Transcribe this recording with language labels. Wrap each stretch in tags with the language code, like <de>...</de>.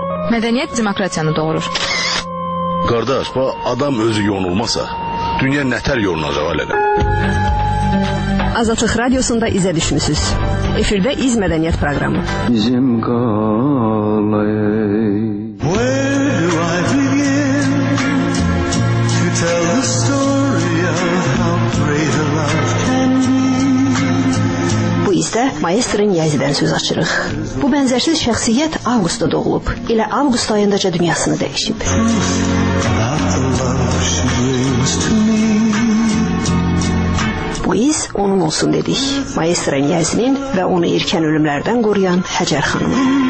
<az>Mədəniyyət demokratiyanı doğurur. Qardaş, bu adam özü yonulmasa, dünya nətər yonulacaq elə. Azadlıq radiosunda izə düşmüsüz. Efirdə İz Mədəniyyət proqramı. Bizim qalay.</az> <en>Where do I begin to tell the story of how freedom</en> <az>maestrin Yazidən söz açırıq. Bu bənzərsiz şəxsiyyət avqusta doğulub, elə avqust ayındaca dünyasını dəyişib. Bu iz onun olsun dedik, maestrin Yazinin və onu irkən ölümlərdən qoruyan Həcər xanımın.</az>